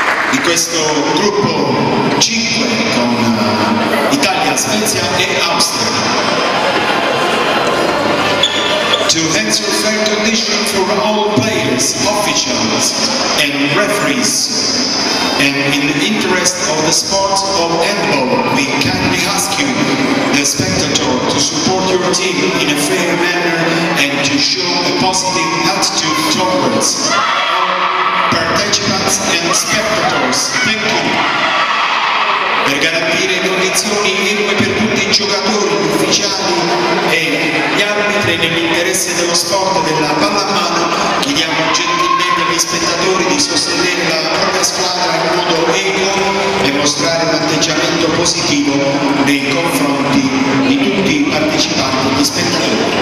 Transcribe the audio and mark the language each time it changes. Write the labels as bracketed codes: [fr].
[it] di questo gruppo 5 con Italia, Svezia e Austria. [en] To answer fair condition for all players, officials and referees, and in the interest of the sport of handball, we kindly ask you, the spectator, to support your team in a fair manner and to show a positive attitude towards participants and spectators. Thank you. [it] Per garantire condizioni irme per tutti i giocatori, gli ufficiali e gli arbitri nell'interesse dello sport della pallamano, chiediamo gentilmente agli spettatori di sostenere la propria squadra in modo equo e mostrare un atteggiamento positivo nei confronti di tutti i partecipanti, gli spettatori.